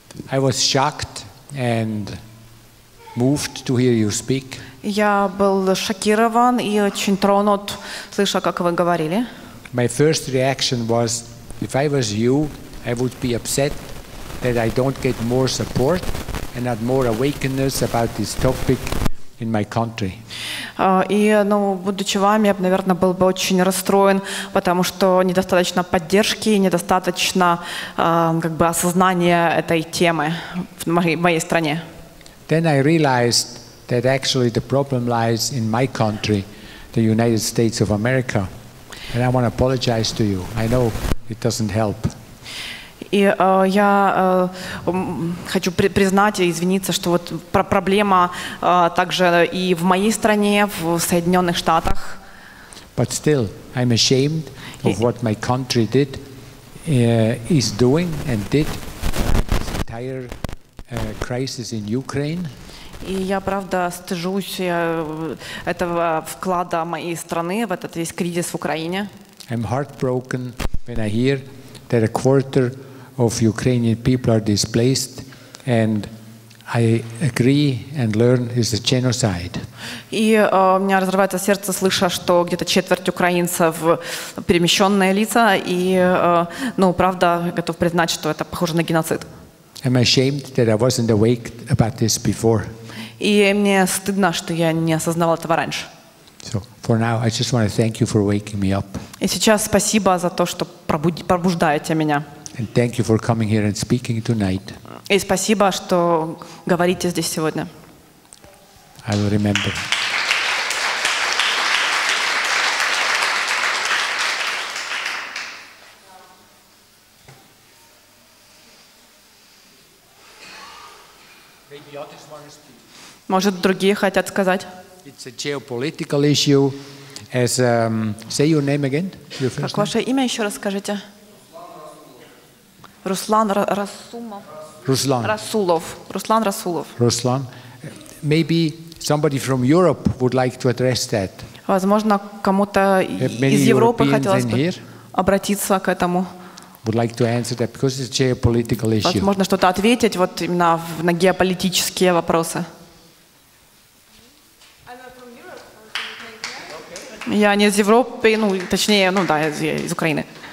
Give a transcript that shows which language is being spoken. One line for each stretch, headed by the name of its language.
English: I was shocked and moved to hear you speak.
Russian: Я был шокирован и очень тронут, слыша, как вы говорили.
English: My first reaction was, if I was you, I would be upset that I don't get more support and not more awakeness about this topic in my country.
Russian: И, ну, будучи вами, я бы, наверное, был бы очень расстроен, потому что недостаточно поддержки, недостаточно как бы осознания этой темы в моей стране.
English: Then I realized that actually the problem lies in my country, the United States of America. And I want to apologize to you. I know it doesn't help.
Russian: И я хочу признать и извиниться, что вот проблема также и в моей стране, в Соединенных Штатах.
English: But still, I'm ashamed of what my country did, is doing and did this entire crisis in Ukraine.
Russian: И я правда стыжусь этого вклада моей страны в этот весь кризис в Украине.
English: I'm heartbroken when I hear that a quarter of Ukrainian people are displaced, and I agree and learn is a genocide.
Russian: И у меня разрывается серце, слыша, что где-то четверть украинцев перемещенные лица, и, ну, правда, готов признать, что это похоже на геноцид.
English: I'm ashamed that I wasn't awake about this before.
Russian: И мне стыдно, что я не осознавал этого раньше.
English: So for now, I just want to thank you for waking me up.
Russian: И сейчас спасибо за то, что пробуждаете меня.
English: And thank you for coming here and speaking tonight.
Russian: И спасибо, что говорите здесь сегодня.
English: I will remember.
Russian: Может, другие хотят сказать?
English: It's a geopolitical issue. As say your name again. Your first
Russian: как ваше имя еще раз скажите? Руслан Расумов. Руслан Расулов. Руслан.
English: Maybe somebody from Europe would like to address that.
Russian: Возможно, кому-то из Европы хотелось бы обратиться к этому.
English: Would like to answer that because it's a geopolitical issue.
Russian: Возможно, что-то ответить вот именно на геополитические вопросы. Я не из Европы, ну, точнее, ну да, я из Украины.